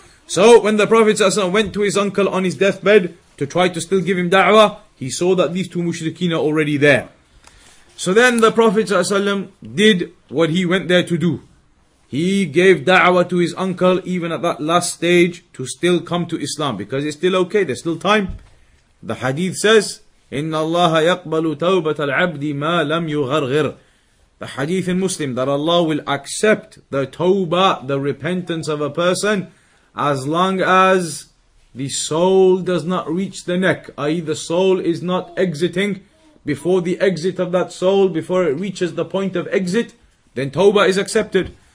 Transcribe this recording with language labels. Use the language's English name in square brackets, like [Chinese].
[English] So when the Prophet ﷺ went to his uncle on his deathbed to try to still give him da'wah, he saw that these two mushrikeen are already there. So then the Prophet ﷺ did what he went there to do. He gave da'wah to his uncle even at that last stage to still come to Islam, because it's still okay, there's still time. The hadith says, [Arabic] إِنَّ اللَّهَ يَقْبَلُ تَوْبَةَ الْعَبْدِ مَا لَمْ يُغَرْغِرْ. [English] The hadith in Muslim, that Allah will accept the tawbah, the repentance of a person, as long as the soul does not reach the neck, i.e. the soul is not exiting. Before the exit of that soul, before it reaches the point of exit, then tawbah is accepted.